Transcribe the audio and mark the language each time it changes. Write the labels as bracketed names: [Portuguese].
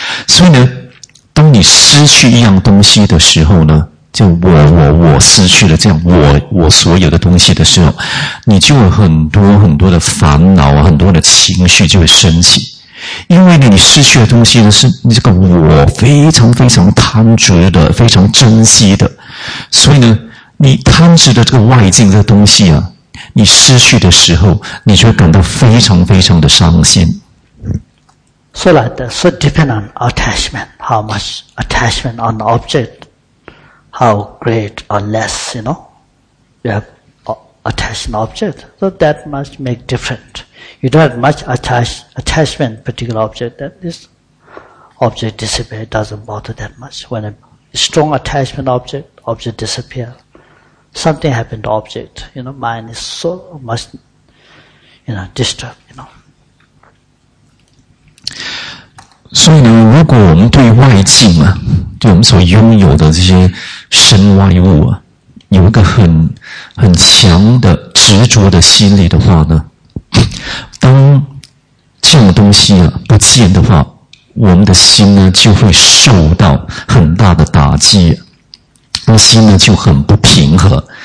[Chinese] 所以呢，当你失去一样东西的时候呢，就我失去了这样我所有的东西的时候，你就有很多很多的烦恼，很多的情绪就会升起。因为你失去的东西呢，是你这个我非常非常贪执的，非常珍惜的。所以呢，你贪执的这个外境的东西啊，你失去的时候，你就会感到非常非常的伤心。 [English] So like that, so depend on attachment, how much attachment on the object, how great or less, you know, you have attachment object, so that must make different. You don't have much attachment particular object, then this object disappears, doesn't bother that much. When a strong attachment object disappears, something happened to object, you know, mind is so much, you know, disturbed, you know. [Chinese] 所以呢，如果我们对外境啊，对我们所拥有的这些身外物啊，有一个很强的执着的心理的话呢，当这种东西啊不见的话，我们的心呢就会受到很大的打击，那心呢就很不平和。